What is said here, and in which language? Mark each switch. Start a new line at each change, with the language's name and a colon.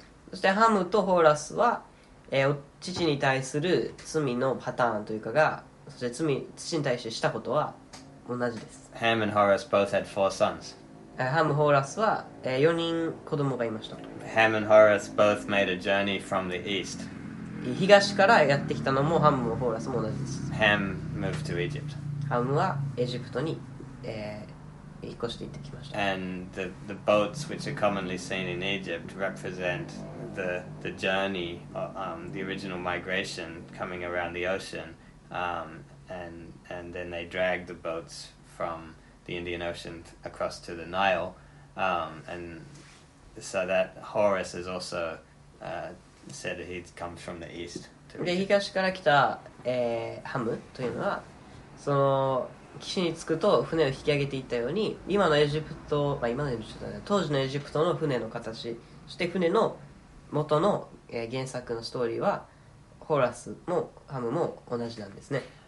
Japanese: そしてハムとホーラスは、父に対する罪のパターンというかが、そして罪、父に対してしたことは同じです。
English: Ham and Horus both had four sons.
Japanese: ハム、ホーラスは、4人子供がいました。
English: Ham and Horus both made a journey from the east.
Japanese: 東からやってきたのもハムもホーラスも同じです。
English: Ham moved to Egypt.
Japanese: ハムはエジプトに、引っ越して行ってきました。
English: And the boats which are commonly seen in Egypt represent the journey, the original migration coming around the ocean, and then they drag the boats from the Indian Ocean across to the Nile, and so that Horus is also said that he comes from the east.
Japanese: で東から来た、ハムというのはその岸に着くと船を引き上げていったように今のエジプト、まあ今のエジプトだね、当時のエジプトの船の形、そして船の元の、原作のストーリーはホーラスもハムも同じなんですね。